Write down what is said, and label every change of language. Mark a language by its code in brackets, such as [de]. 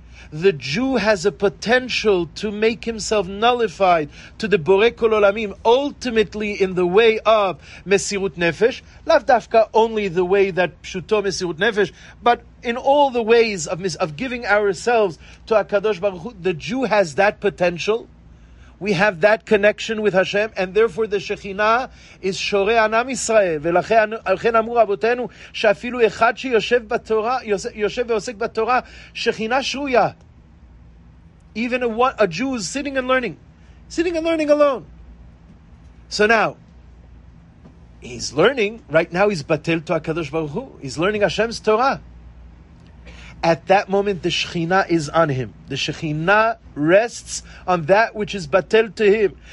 [en] The Jew has a potential to make himself nullified to the Borei Kol Olamim, ultimately in the way of Mesirut Nefesh, lav dafka only the way that Pshuto Mesirut Nefesh, but in all the ways of giving ourselves to HaKadosh Baruch Hu, the Jew has that potential. We have that connection with Hashem, and therefore the Shekhinah is Shorei Anam Yisrael. [he] ולכן אמרו רבותינו שאפילו אחד שיושב בתורה, יושב ועוסק בתורה, Shekhinah Shruya. [en] Even a Jew is sitting and learning. Sitting and learning alone. So now, he's learning. Right now he's batel to HaKadosh Baruch Hu. He's learning Hashem's Torah. At that moment, the Shekhinah is on him. The Shekhinah rests on that which is batel to him.